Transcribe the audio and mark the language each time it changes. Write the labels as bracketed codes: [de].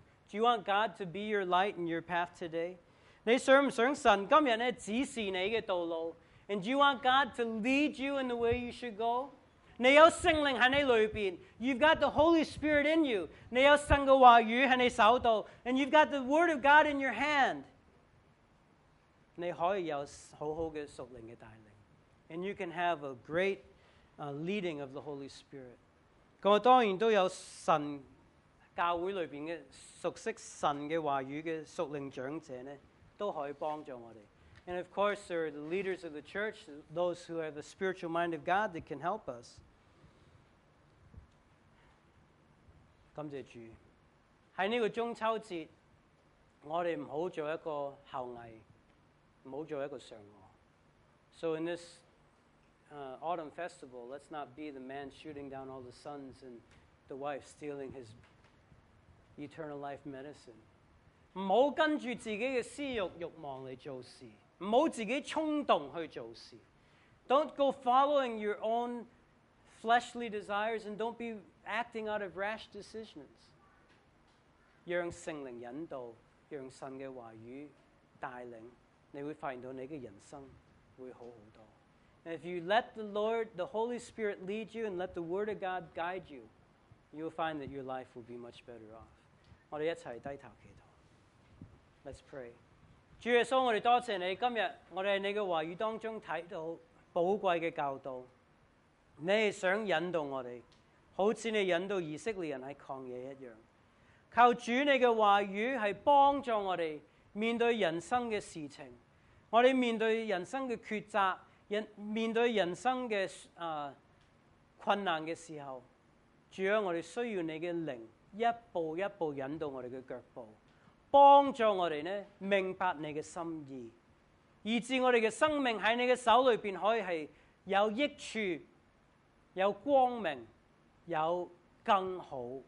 [en] Do you want God to be your light and your path today? [zh] 你想不想神今天指示你的道路？ [en] And do you want God to lead you in the way you should go? [zh] 你有圣灵在你里面， You've got the Holy Spirit in you. 你有神的话语在你手里， And you've got the Word of God in your hand. 你可以有好好的属灵的带领， [en] And you can have a great leading of the Holy Spirit. [zh] 我当然都有神教会里面的熟悉神的话语的属灵长者呢，都可以帮助我们。 [en] And of course, there are the leaders of the church, those who have the spiritual mind of God that can help us. [zh] 感谢主，在这个中秋节，我们不要做一个后羿，不要做一个嫦娥。 [en] So in this autumn festival, let's not be the man shooting down all the suns and the wife stealing his eternal life medicine. [zh] 不要跟着自己的私欲欲望来做事。不要自己衝動去做事。 [en] Don't go following your own fleshly desires and don't be acting out of rash decisions. [zh] 讓聖靈引導，讓神的話語帶領，你會發現到你的人生會好很多。 [en] And if you let the Lord, the Holy Spirit lead you and let the Word of God guide you, you'll find that your life will be much better off. [zh] 我們一起低頭祈禱。 [en] Let's pray. [zh] 主耶稣，我们多谢你，今天我们在你的话语当中看到宝贵的教导，你是想引导我们，好像你引导以色列人在旷野一样。靠主你的话语是帮助我们面对人生的事情，我们面对人生的抉择，面对人生的困难的时候，主啊，我们需要你的灵一步一步引导我们的脚步，帮助我们呢明白你的心意，以致我们的生命在你的手里面可以是有益处，有光明，有更好。